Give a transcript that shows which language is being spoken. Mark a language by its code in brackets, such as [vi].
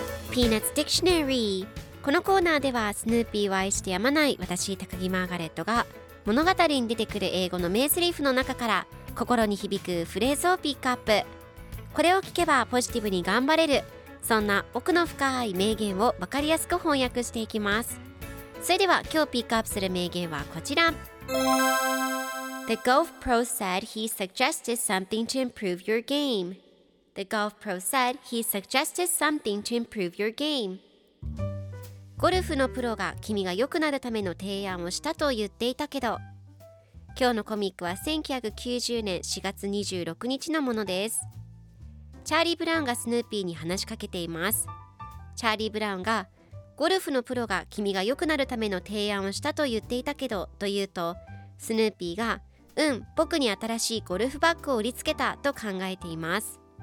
[ja] ピーナッツ・ディクショナリー。このコーナーではスヌーピーを愛してやまない私、高木マーガレットが物語に出てくる英語の名セリフの中から心に響くフレーズをピックアップ。これを聞けばポジティブに頑張れる、そんな奥の深い名言をわかりやすく翻訳していきます。それでは今日ピックアップする名言はこちら。 [en] The golf pro said he suggested something to improve your game. The golf pro said he suggested something to improve your game. [ja] ゴルフのプロが君が良くなるための提案をしたと言っていたけど。今日のコミックは1990年4月26日のものです。チャーリー・ブラウンがスヌーピーに話しかけています。チャーリー・ブラウンが、ゴルフのプロが君が良くなるための提案をしたと言っていたけど、と言うと、スヌーピーが、うん、僕に新しいゴルフバッグを売りつけた、と考えています。